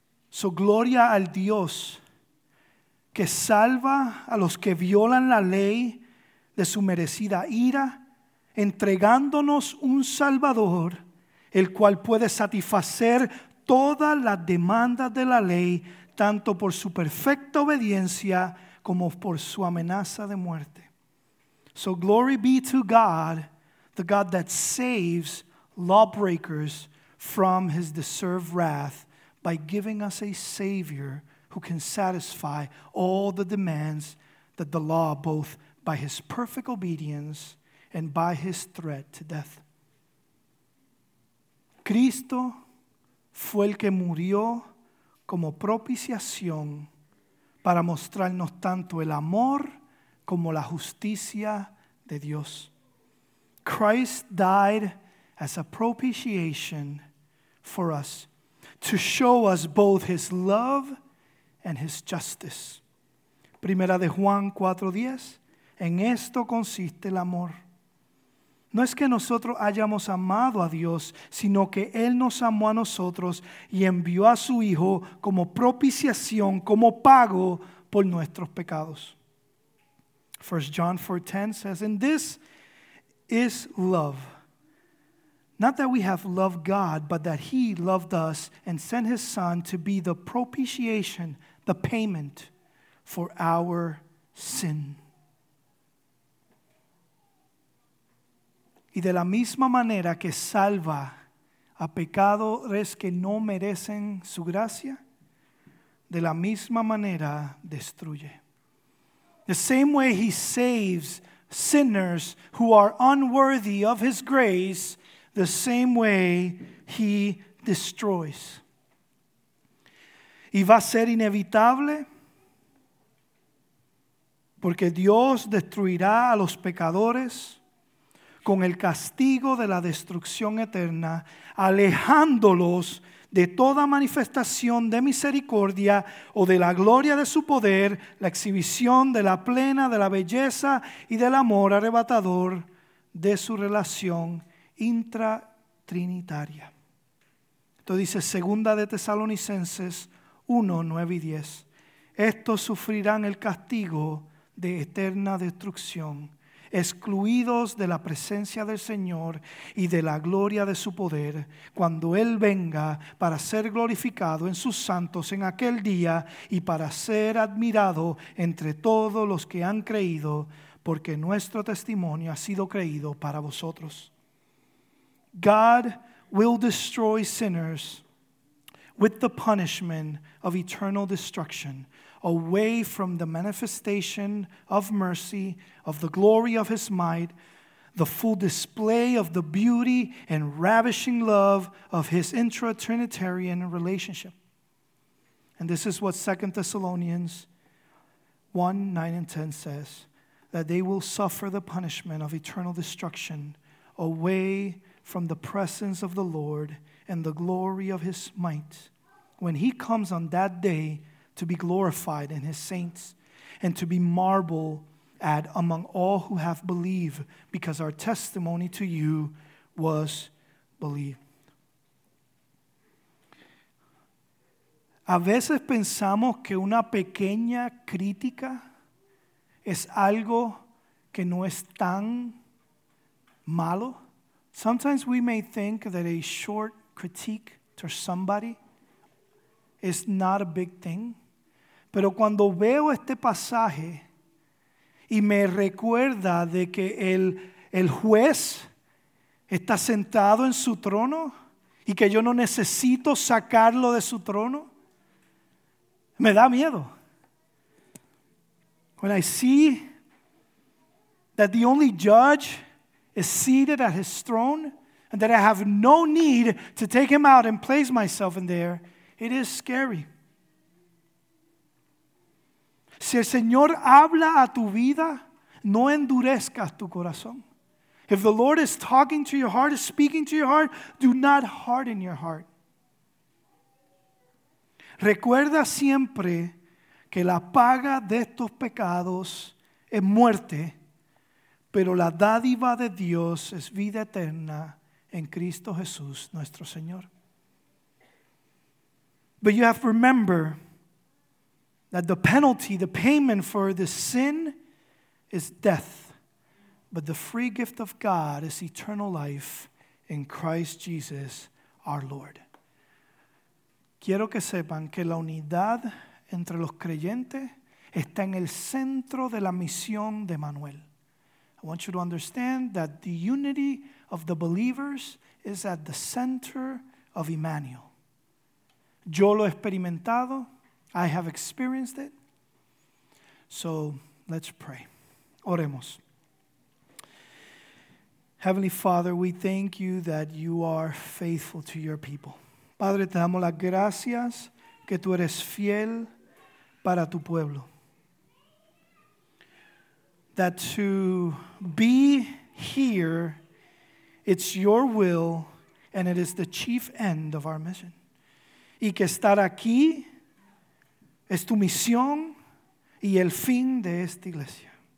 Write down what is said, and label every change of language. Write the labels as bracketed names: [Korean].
[Spanish] So gloria al Dios que salva a los que violan la ley de su merecida ira, entregándonos un Salvador el cual puede satisfacer toda la demanda de la ley, tanto por su perfecta obediencia como por su amenaza de muerte. [English] So glory be to God, the God that saves lawbreakers from his deserved wrath by giving us a Savior who can satisfy all the demands that the law, both by his perfect obedience and by his threat to death. [Spanish] Cristo fue el que murió como propiciación para mostrarnos tanto el amor como la justicia de Dios. [English] Christ died as a propitiation for us, to show us both his love and his justice. [Spanish] Primera de Juan [English] 4:10, [Spanish] En esto consiste el amor. No es que nosotros hayamos amado a Dios, sino que Él nos amó a nosotros y envió a su Hijo como propiciación, como pago por nuestros pecados. [English] 1 John 4:10 says, "And this is love. Not that we have loved God, but that He loved us and sent His Son to be the propitiation, the payment for our sin." [Spanish] Y de la misma manera que salva a pecadores que no merecen su gracia, de la misma manera destruye. [English] The same way He saves sinners who are unworthy of His grace, the same way He destroys. [Spanish] Y va a ser inevitable, porque Dios destruirá a los pecadores con el castigo de la destrucción eterna, alejándolos de toda manifestación de misericordia o de la gloria de su poder, la exhibición de la plena de la belleza y del amor arrebatador de su relación intratrinitaria. Esto dice 2 de Tesalonicenses 1, 9 y 10. Estos sufrirán el castigo de eterna destrucción, excluidos de la presencia del Señor y de la gloria de su poder, cuando Él venga para ser glorificado en sus santos en aquel día y para ser admirado entre todos los que han creído, porque nuestro testimonio ha sido creído para vosotros. [English] God will destroy sinners with the punishment of eternal destruction, away from the manifestation of mercy, of the glory of His might, the full display of the beauty and ravishing love of His intra-Trinitarian relationship. And this is what 2 Thessalonians 1, 9 and 10 says, that they will suffer the punishment of eternal destruction away from the presence of the Lord and the glory of His might. When He comes on that day, to be glorified in His saints and to be marveled at among all who have believed, because our testimony to you was believed. [Spanish] A veces pensamos que una pequeña crítica es algo que no es tan malo. [English] Sometimes we may think that a short critique to somebody is not a big thing. [Spanish] Pero cuando veo este pasaje y me recuerda de que el juez está sentado en su trono y que yo no necesito sacarlo de su trono, me da miedo. [English] When I see that the only judge is seated at his throne and that I have no need to take him out and place myself in there, it is scary. [Spanish] Si el Señor habla a tu vida, no endurezcas tu corazón. [English] If the Lord is talking to your heart, is speaking to your heart, do not harden your heart. [Spanish] Recuerda siempre que la paga de estos pecados es muerte, pero la dádiva de Dios es vida eterna en Cristo Jesús nuestro Señor. [English] But you have to remember that the penalty, the payment for the sin is death. But the free gift of God is eternal life in Christ Jesus our Lord. [Spanish] Quiero que sepan que la unidad entre los creyentes está en el centro de la misión de Manuel. [English] I want you to understand that the unity of the believers is at the center of Emmanuel. [Spanish] Yo lo he experimentado. [English] I have experienced it. So let's pray. [Spanish] Oremos. [English] Heavenly Father, we thank you that you are faithful to your people. [Spanish] Padre, te damos las gracias que tú eres fiel para tu pueblo. [English] That to be here, it's your will and it is the chief end of our mission. [Spanish] Y que estar aquí es tu misión y el fin de esta iglesia.